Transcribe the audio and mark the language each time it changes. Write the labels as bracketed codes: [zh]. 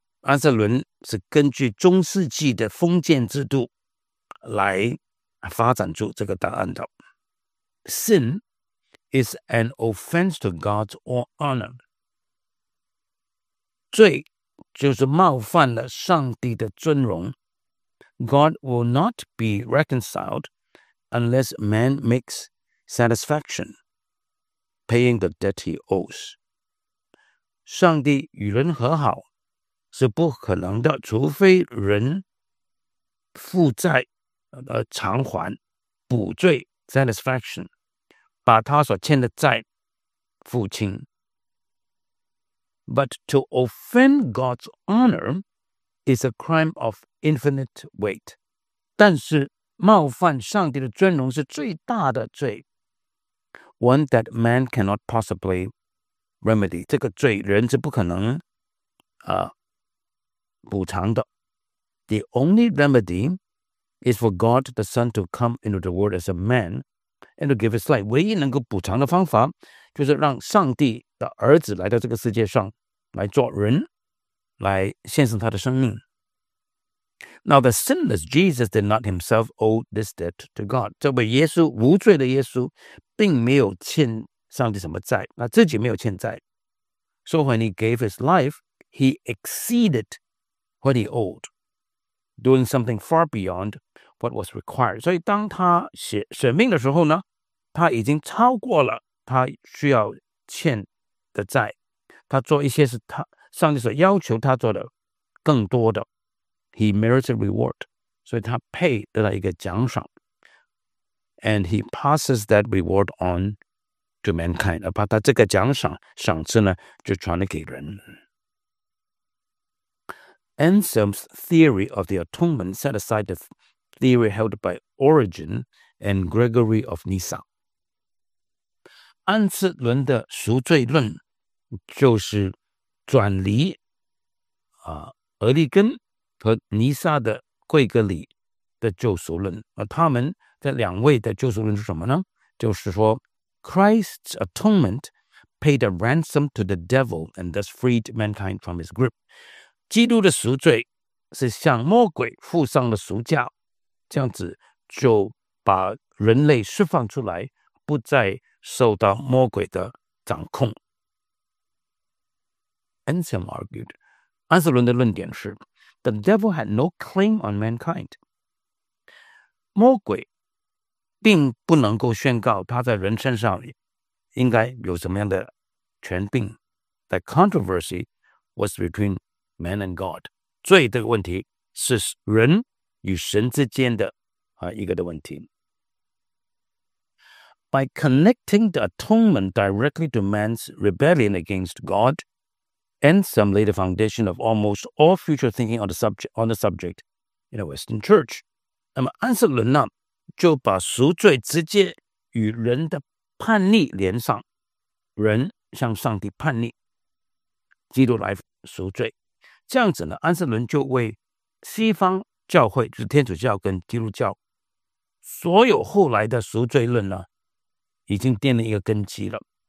[zh] 安瑟伦是根据中世纪的封建制度来发展出这个答案的。 [en] Sin is an offense to God's honor. [zh] 罪就是冒犯了上帝的尊荣。 [en] God will not be reconciled unless man makes satisfaction. Paying the debt he owes. [zh] 上帝与人和好是不可能的，除非人负债偿还、补罪 satisfaction, 把他所欠的债付清。 [en] But to offend God's honor is a crime of infinite weight. [zh] 但是冒犯上帝的尊荣是最大的罪。 [en] One that man cannot possibly remedy. [zh] 这个罪人是不可能补偿的。 [en] The only remedy is for God the Son to come into the world as a man and to give his life. [zh] 唯一能够补偿的方法就是让上帝的儿子来到这个世界上来做人来献上他的生命。 [en] Now the sinless Jesus did not himself owe this debt to God. [zh] 这位耶稣无罪的耶稣并没有欠上帝什么债，那自己没有欠债。 [en] So when he gave his life, he exceeded what he owed, doing something far beyond what was required. [zh] 所以当他舍命的时候呢，他已经超过了他需要欠的债，他做一些是他上帝所要求他做的更多的。 [en] He merited reward, [zh] 所以他配得到一个奖赏。 [en] And he passes that reward on to mankind. [zh] 把他这个赏赐呢，就传了给人。 [en] Anselm's theory of the atonement set aside the theory held by Origen and Gregory of Nyssa. [zh] 安瑟伦的赎罪论就是转离俄利根和尼萨的贵格里的救赎论，而他们这两位的救赎论是什么呢？就是说 [en] Christ's atonement paid a ransom to the devil and thus freed mankind from his grip. [zh] 基督的赎罪是向魔鬼付上了赎价，这样子就把人类释放出来，不再受到魔鬼的掌控。 [en] Anselm argued， [zh] 安瑟伦的论点是 [en] The devil had no claim on mankind， [zh] 魔鬼并不能够宣告他在人身上应该有什么样的权柄。 [en] The controversy was between man and God， [zh] 罪这个问题是人与神之间的一个的问题。 [en] By connecting the atonement directly to man's rebellion against God, Anselm laid the foundation of almost all future thinking on the subject in the Western Church. [zh] 那么安瑟伦呢，就把赎罪直接与人的叛逆连上，人向上帝叛逆，基督来赎罪。这样子呢，安瑟伦就为西方教会，就是天主教跟基督教，所有后来的赎罪论呢，已经奠了一个根基了。